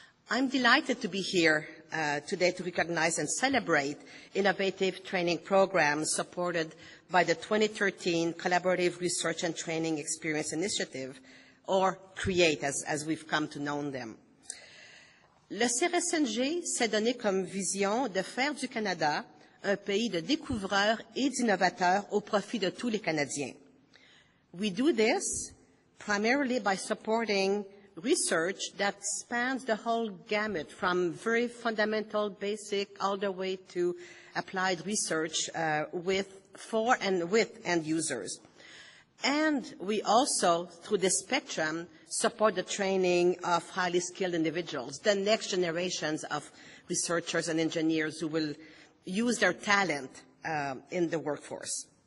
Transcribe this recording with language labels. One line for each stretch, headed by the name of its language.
English: I'm delighted to be here today to recognize and celebrate innovative training programs supported by the 2013 Collaborative Research and Training Experience Initiative, or CREATE, as we've come to know them.
French: Le CRSNG s'est donné comme vision de faire du Canada un pays de découvreurs et d'innovateurs au profit de tous les Canadiens.
English: We do this primarily by supporting research that spans the whole gamut from very fundamental, basic, all the way to applied research with end users. And we also, through this spectrum, support the training of highly skilled individuals, the next generations of researchers and engineers who will use their talent in the workforce.